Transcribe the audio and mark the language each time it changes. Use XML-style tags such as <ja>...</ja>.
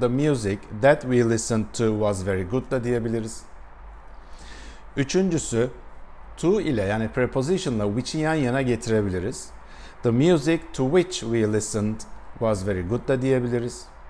<en>The music that we listened to was very good</en> <tr>da diyebiliriz. Üçüncüsü, to ile, yani prepositionla which'i yan yana getirebiliriz.</tr> <en>The music to which we listened was very good</en> <tr>da diyebiliriz.</tr>